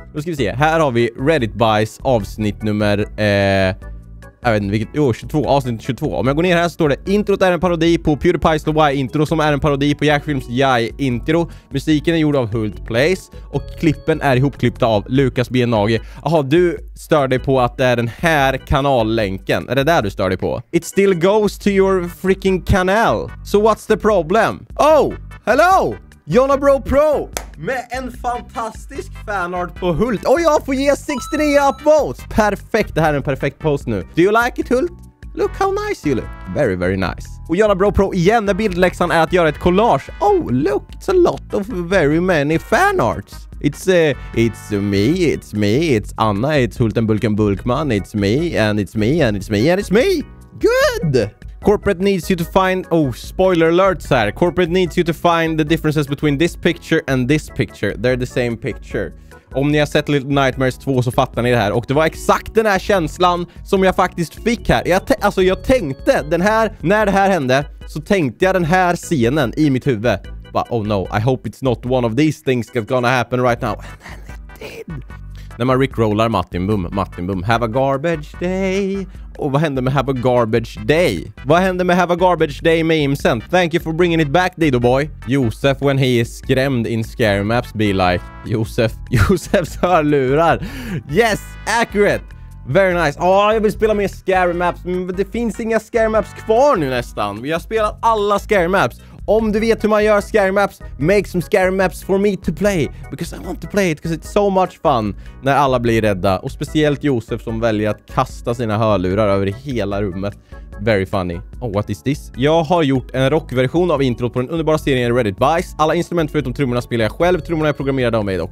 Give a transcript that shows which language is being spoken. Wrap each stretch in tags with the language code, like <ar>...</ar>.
<sv>Då ska vi se, här har vi Reddit Bice avsnitt nummer... 22, avsnitt 22. Om jag går ner här så står det: introt är en parodi på PewDiePie's The Y-intro som är en parodi på Jackfilms Jai-intro. Musiken är gjord av Hult Place och klippen är ihopklippta av Lucas Bienage. Jaha, du stör dig på att det är den här kanallänken. Är det där du stör dig på?</sv> <en>It still goes to your freaking canal. So what's the problem? Oh, hello! Jonna Bro Pro</en> <sv>med en fantastisk fanart på Hult. Och jag får ge 69 upvotes. Perfekt, det här är en perfekt post nu.</sv> <en>Do you like it, Hult? Look how nice you look. Very, very nice.</en> <sv>Och Jonna Bro Pro igen, när bildläxan är att göra ett collage.</sv> <en>Oh, look, it's a lot of very many fanarts. It's Anna, it's Hulten Bulken Bulkman. It's me. Good! Corporate needs you to find... Oh, spoiler alerts här. Corporate needs you to find the differences between this picture and this picture. They're the same picture.</en> <sv>Om ni har sett Little Nightmares 2 så fattar ni det här. Och det var exakt den här känslan som jag faktiskt fick här. Jag tänkte den här... När det här hände så tänkte jag den här scenen i mitt huvud.</sv> <en>But oh no, I hope it's not one of these things that's gonna happen right now. And then it did.</en> <sv>När man rickrollar Martin Boom.</sv> <en>Have a garbage day.</en> <sv>Och vad hände med</sv> <en>have a garbage day?</en> <sv>Vad hände med have a garbage day memesen?</sv> <en>Thank you for bringing it back, Dido boy. Josef, when he is skrämd in scary maps, be like, Josefs hörlurar. Yes, accurate. Very nice.</en> <sv>Åh, jag vill spela mer</sv> <en>scary maps.</en> <sv>Men det finns inga scary maps kvar nu nästan. Vi har spelat alla scary maps. Om du vet hur man gör scary maps,</sv> <en>make some scary maps for me to play. Because I want to play it, because it's so much fun</en> <sv>när alla blir rädda. Och speciellt Josef som väljer att kasta sina hörlurar över hela rummet.</sv> <en>Very funny. Oh, what is this?</en> <sv>Jag har gjort en rockversion av intro på den underbara serien Reddit Bice. Alla instrument förutom trummorna spelar jag själv. Trummorna är programmerade av mig dock.</sv>